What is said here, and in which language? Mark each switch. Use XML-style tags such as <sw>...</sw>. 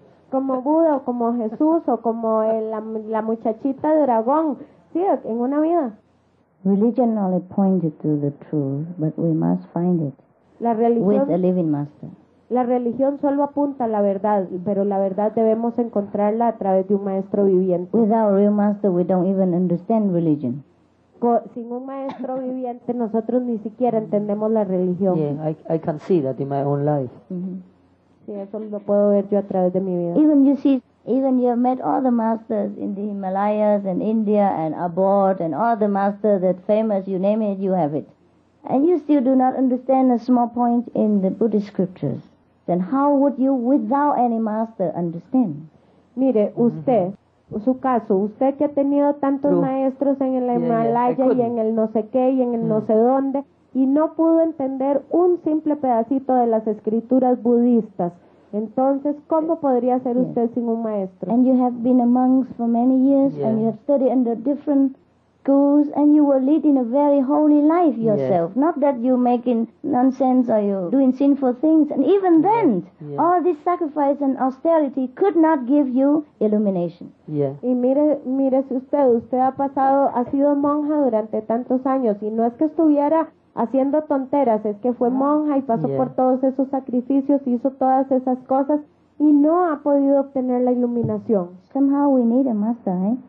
<es>Como Buda, o como Jesús, o como la muchachita dragón. Sí, en una vida.</es> <en>Religion only pointed to the truth, but we must find it with a living master.</en> <es>La religión solo apunta a la verdad, pero la verdad debemos encontrarla a través de un maestro viviente.</es> <en>Without a real master, we don't even understand religion.</en> <es>Sin un maestro viviente, nosotros ni siquiera entendemos la religión.</es> <en>Yeah, I can see that in my own life.</en> <es>Sí, eso lo puedo ver yo a través de mi vida.</es> <en>Even you see, even you have met all the masters in the Himalayas and India and abroad, and all the masters that famous, you name it, you have it. And you still do not understand a small point in the Buddhist scriptures. Then how would you, without any master, understand?</en> <es>Mire, usted, su caso, usted que ha tenido tantos maestros en el Himalaya y en el no sé qué y en el no sé dónde, y no pudo entender un simple pedacito de las escrituras budistas. Entonces, ¿cómo podría ser usted sin un maestro?</es> <en>And you have been a monk for many years, and you have studied under different schools, and you were leading a very holy life yourself. Yes. Not that you're making nonsense or you're doing sinful things. And even then, all this sacrifice and austerity could not give you illumination.</en> <es>Y mire si usted ha sido monja durante tantos años, y no es que estuviera haciendo tonteras, es que fue monja y pasó por todos esos sacrificios, hizo todas esas cosas y no ha podido obtener la iluminación.</es> <en>Somehow we need a master, ¿eh?</en>